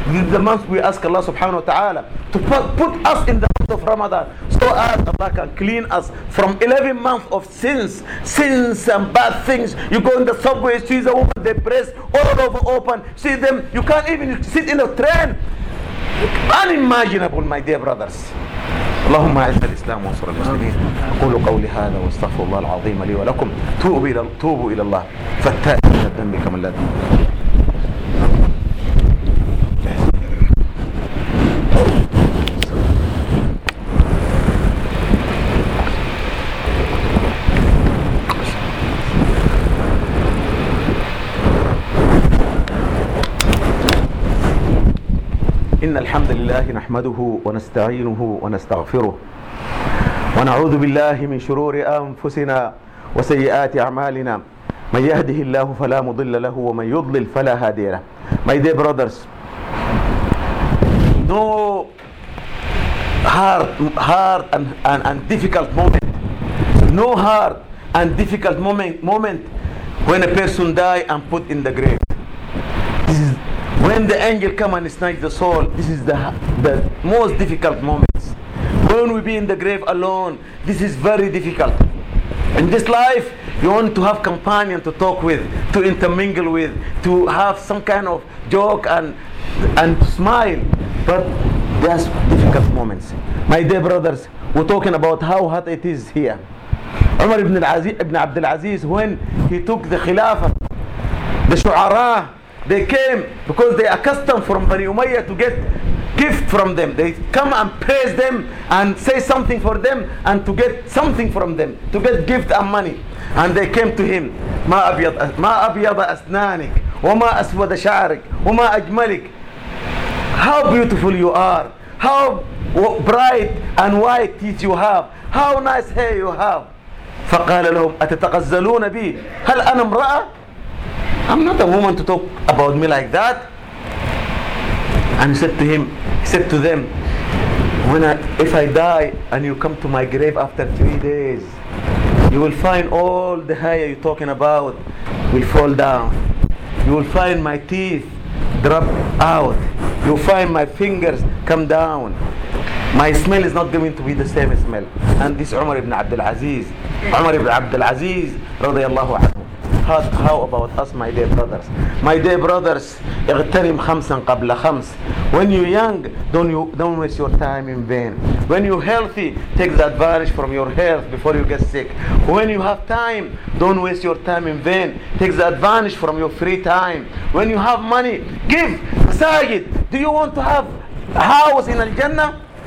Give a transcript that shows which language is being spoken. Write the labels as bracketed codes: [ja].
[en] This is the month we ask Allah subhanahu wa ta'ala to put us in the month of Ramadan, so as Allah can clean us from 11 months of sins and bad things. You go in the subway, see the woman, they press all over open, see them, you can't even sit in a train. Unimaginable, my dear brothers. [ar] اللهم أعز الإسلام ونصر المسلمين. أقول قولي هذا واستغفر الله العظيم لي ولكم. توبوا إلى الله فالتائب من الذنب كمن لا ذنب له. إن الحمد لله نحمده ونستعينه ونستغفره ونعوذ بالله من شرور أنفسنا وسيئات أعمالنا. من يهده الله فلا مضل له ومن يضلل فلا هادي له. [en] My dear brothers, no hard and difficult moment, no hard and difficult moment when a person die and put in the grave. When the angel come and snatch the soul, this is the most difficult moments. When we be in the grave alone, this is very difficult. In this life, you want to have companion to talk with, to intermingle with, to have some kind of joke and smile. But that's difficult moments. My dear brothers, we're talking about how hot it is here. Umar ibn Abdul Aziz, when he took the Khilafah, the Shu'ara, they came because they accustomed from Bani Umayyah to get gift from them. They come and praise them and say something for them and to get something from them, to get gift and money. And they came to him, [ar] ما أبيض أسنانك وما أسود شعرك وما أجملك. [en] How beautiful you are, how bright and white teeth you have, how nice hair you have. [ar] فقال لهم أتتغزلون بي هل أنا امرأة؟ [en] I'm not a woman to talk about me like that. And he said to them, if I die and you come to my grave after 3 days, you will find all the hair you're talking about will fall down. You will find my teeth drop out. You'll find my fingers come down. My smell is not going to be the same smell. And this Umar ibn Abdul Aziz. Umar ibn Abdul Aziz, radiallahu anhu. How about us, my dear brothers? My dear brothers, [ar] اغترم خمسا قبل خمس. [en] When you're young, don't waste your time in vain. When you're healthy, take the advantage from your health before you get sick. When you have time, don't waste your time in vain. Take the advantage from your free time. When you have money, give. Sayyid, do you want to have a house in Al-Jannah?